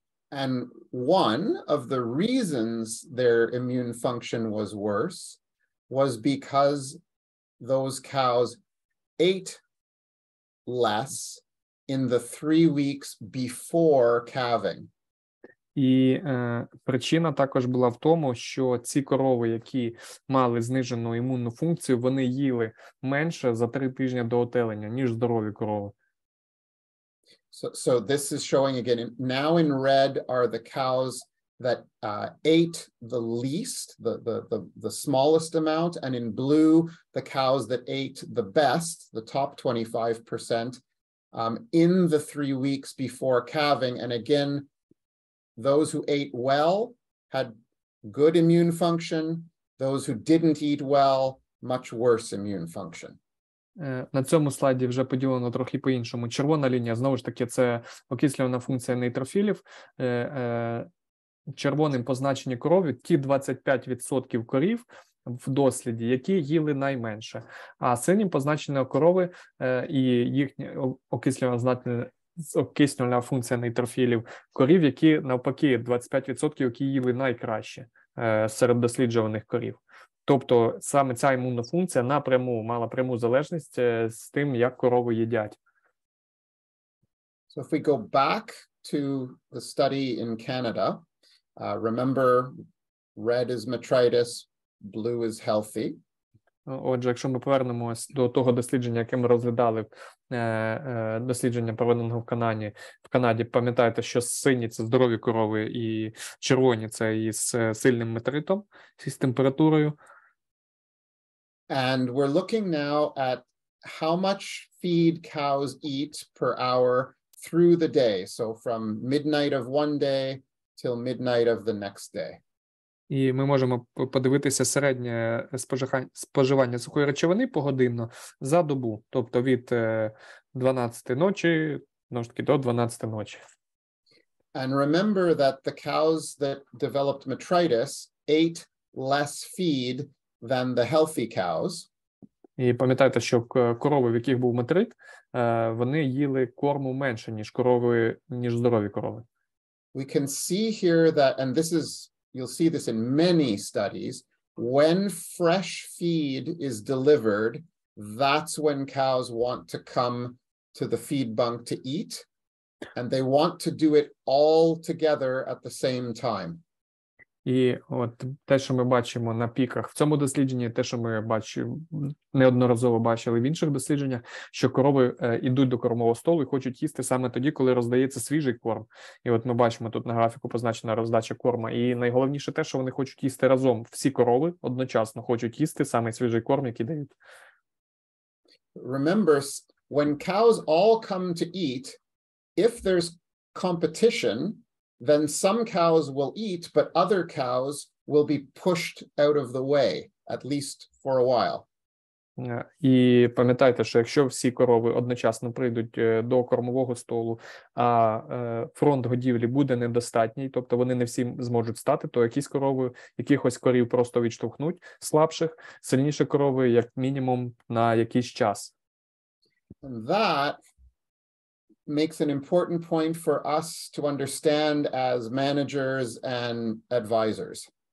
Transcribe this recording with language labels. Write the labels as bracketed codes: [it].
[en] And one of the reasons their immune function was worse was because those cows ate less in the 3 weeks before calving. [uk] І причина також була в тому, що ці корови, які мали знижену імунну функцію, вони їли менше за 3 тижні до отелення, ніж здорові корови. [en] So this is showing again, now in red are the cows that ate the least, the smallest amount, and in blue, the cows that ate the best, the top 25%, in the 3 weeks before calving, and again, those who ate well had good immune function, those who didn't eat well, much worse immune function. [uk] На цьому слайді вже поділено трохи по-іншому. Червона лінія, знову ж таки, це окислювальна функція нейтрофілів. Червоним позначені корови, ті 25% корів в досліді, які їли найменше. А синім позначені корови і їхня окислювальна функція нейтрофілів корів, які навпаки 25%, які їли найкраще серед досліджуваних корів. Тобто саме ця імунна функція напряму мала пряму залежність з тим, як корови їдять. [en] So if we go back to the study in Canada, remember red is metritis, blue is healthy. [uk] Отже, якщо ми повернемось до того дослідження, яке ми розглядали, дослідження, проведеного в Канаді, пам'ятаєте, що сині – це здорові корови, і червоні – це із сильним метритом, із температурою. [en] And we're looking now at how much feed cows eat per hour through the day, so from midnight of one day till midnight of the next day. [uk] І ми можемо подивитися середнє споживання сухої речовини погодинно за добу, тобто від 12 ночі, знову ж таки, до 12 ночі. [en] And remember that the cows that developed metritis ate less feed than the healthy cows. [uk] І пам'ятайте, що корови, в яких був метрит, вони їли корму менше, ніж корови, ніж здорові корови. [en] We can see here that, and this is, you'll see this in many studies, when fresh feed is delivered, that's when cows want to come to the feed bunk to eat, and they want to do it all together at the same time. [uk] І от те, що ми бачимо на піках в цьому дослідженні, те, що ми бачимо, неодноразово бачили в інших дослідженнях, що корови йдуть до кормового столу і хочуть їсти саме тоді, коли роздається свіжий корм. І от ми бачимо тут на графіку позначена роздача корма. І найголовніше те, що вони хочуть їсти разом. Всі корови одночасно хочуть їсти саме свіжий корм, який дають. [en] Remember, when cows all come to eat, if there's competition, then some cows will eat, but other cows will be pushed out of the way, at least for a while. [uk] І пам'ятайте, що якщо всі корови одночасно прийдуть до кормового столу, а фронт годівлі буде недостатній, тобто вони не всі зможуть стати, то якісь корови, якихось корів просто відштовхнуть, слабших, сильніші корови, як мінімум, на якийсь час. [en] And that makes an important point for us to understand as managers and advisors.